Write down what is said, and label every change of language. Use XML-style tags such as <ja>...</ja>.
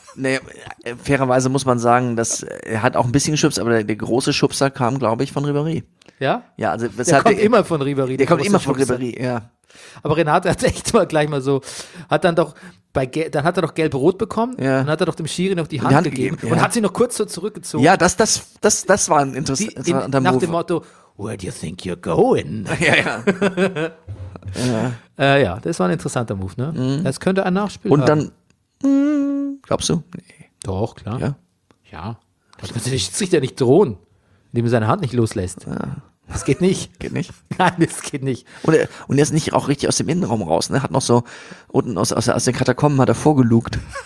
<de>Naja, fairerweise muss man sagen, dass er hat auch ein bisschen geschubst, aber der große Schubser kam, glaube ich, von Ribéry. Ja? Ja, also der hat kommt immer von Ribéry. Der kommt immer von Ribéry, ja. Aber Renate hat echt mal gleich mal so, hat dann doch dann hat er doch gelb-rot bekommen, dann hat er doch dem Schiri noch die Hand gegeben und hat sie noch kurz so zurückgezogen. Ja, das war ein interessanter</de> <en>Move.</en> <de>Nach dem Motto,</de> <en>where do you think you're going?</en> <de>Ja, ja. Ja. Ja, das war ein interessanter Move, ne? Das könnte ein Nachspiel haben. Und dann, glaubst du? Nee. Doch, klar. Ja. Ja. Das kannst du den Schiedsrichter nicht drohen, indem er seine Hand nicht loslässt. Ja. Das geht nicht. Geht nicht? Nein, das geht nicht. Und er ist nicht auch richtig aus dem Innenraum raus, ne? Hat noch so unten aus den Katakomben hat er vorgelugt.</de>